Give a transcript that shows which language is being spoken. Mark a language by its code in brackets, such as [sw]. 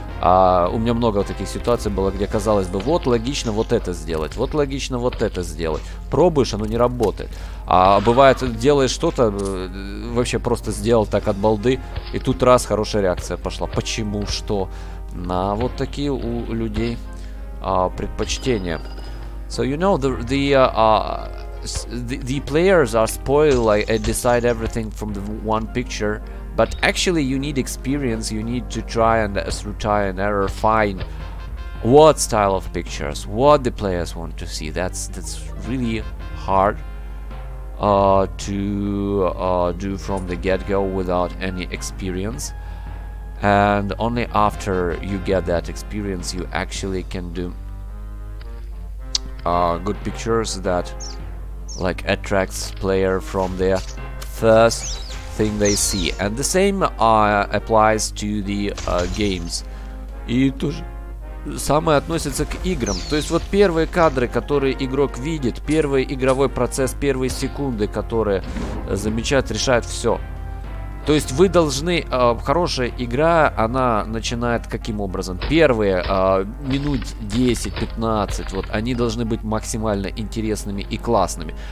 [ru] А у меня много вот таких ситуаций было, где казалось бы, вот логично вот это сделать, вот логично вот это сделать. Пробуешь, оно не работает. А бывает, делаешь что-то, вообще просто сделал так от балды, и тут раз, хорошая реакция пошла. Почему, что? На вот такие у людей предпочтения. [en] So, you know, the players are spoiled, like, and decide everything from the one picture. But actually, you need experience, you need to try and through try and error find what style of pictures, what the players want to see. That's really hard to do from the get-go without any experience. And only after you get that experience, you actually can do good pictures that, like, attracts player from their first thing they see. And the same applies to the games. [ru] И то же самое относится к играм. То есть вот первые кадры, которые игрок видит, первый игровой процесс, первые секунды, которые замечают, решают все. То есть вы должны... Хорошая игра, она начинает каким образом? Первые минут 10-15, вот, они должны быть максимально интересными и классными.